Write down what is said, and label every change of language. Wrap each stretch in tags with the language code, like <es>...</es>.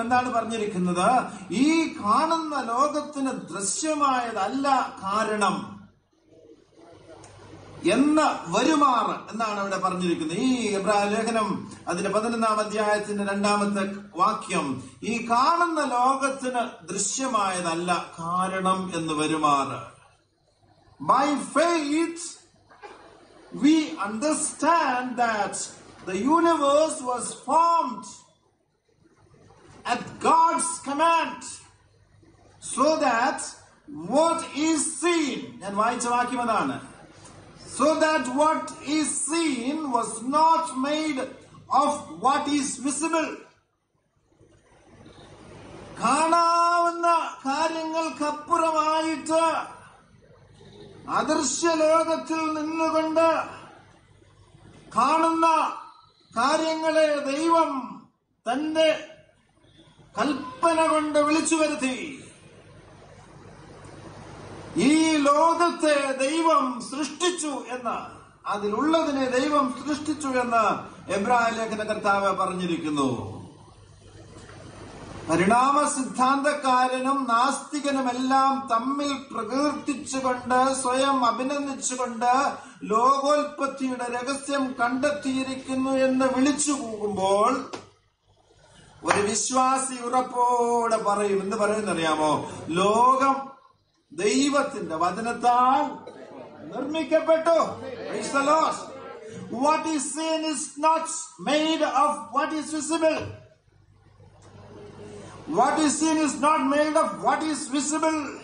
<ml>എന്താണ് പറഞ്ഞിരിക്കുന്നത്? ഈ കാണുന്ന ലോകത്തിന് ദൃശ്യമായതല്ല കാരണം എന്ന വരുമാർ എന്നാണ് അവിടെ പറഞ്ഞിരിക്കുന്നത്. ഈ എബ്രായ ലേഖനം അതിന്റെ 11 അധ്യായത്തിന്റെ 2 വാക്യം, ഈ കാണുന്ന ലോകത്തിന് ദൃശ്യമായതല്ല കാരണം എന്ന് വരുമാർ.</ml> <en>By faith, we understand that the universe was formed at God's command, so that what is seen, and why it's a vakimadana, so that what is seen was not made of what is visible.</en> <ml>കാണാവുന്ന കാര്യങ്ങൾക്കപ്പുറമായിട്ട് അദൃശ്യലോകത്തിൽ നിന്നുകൊണ്ട് കാണുന്ന കാര്യങ്ങളെ ദൈവം തന്റെ കൽപ്പന കൊണ്ട് വിളിച്ചു വരുത്തി. ഈ ലോകത്തെ ദൈവം സൃഷ്ടിച്ചു എന്ന്, അതിലുള്ളതിനെ ദൈവം സൃഷ്ടിച്ചു എന്ന് എബ്രായ ലേഖനകർത്താവ് പറഞ്ഞിരിക്കുന്നു. പരിണാമ സിദ്ധാന്തക്കാരനും നാസ്തികനുമെല്ലാം തമ്മിൽ പ്രകീർത്തിച്ചുകൊണ്ട് സ്വയം അഭിനന്ദിച്ചുകൊണ്ട് ലോകോൽപത്തിയുടെ രഹസ്യം കണ്ടെത്തിയിരിക്കുന്നു എന്ന് വിളിച്ചു പോകുമ്പോൾ ഒരു വിശ്വാസി ഉറപ്പോടെ പറയും. എന്ന് പറയുന്നറിയാമോ, ലോകം ദൈവത്തിന്റെ വചനത്താൽ നിർമ്മിക്കപ്പെട്ടു.</ml> <en>Praise the Lord. What is seen is not made of what is visible. What is seen is not made of what is visible.</en>